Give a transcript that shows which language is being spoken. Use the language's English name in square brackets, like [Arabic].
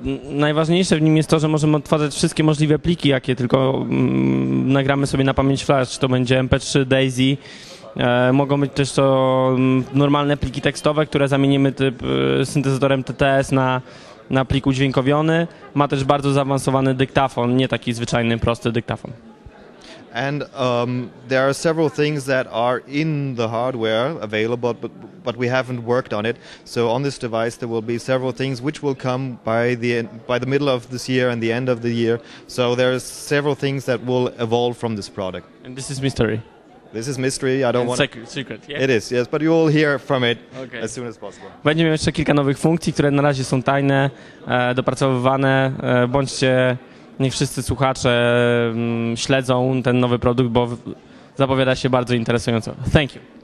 [Polish] Najważniejsze w nim jest to, że możemy odtwarzać wszystkie możliwe pliki, jakie tylko nagramy sobie na pamięć flash. To będzie MP3, DAISY. Mogą być też to normalne pliki tekstowe, które zamienimy typ syntezatorem TTS na plik udźwiękowiony. Ma też bardzo zaawansowany dyktafon, nie taki zwyczajny, prosty dyktafon. [English] And there are several things that are in the hardware available, but we haven't worked on it. So on this device there will be several things which will come by the middle of this year and the end of the year. So there are several things that will evolve from this product. And this is mystery. This is mystery. I don't want secret. Yeah? It is, yes, but you will hear from it as soon as possible. [Polish] Będziemy jeszcze kilka nowych funkcji, które na razie są tajne, dopracowywane. Bądźcie, niech wszyscy słuchacze śledzą ten nowy produkt, bo zapowiada się bardzo interesująco. [English] Thank you.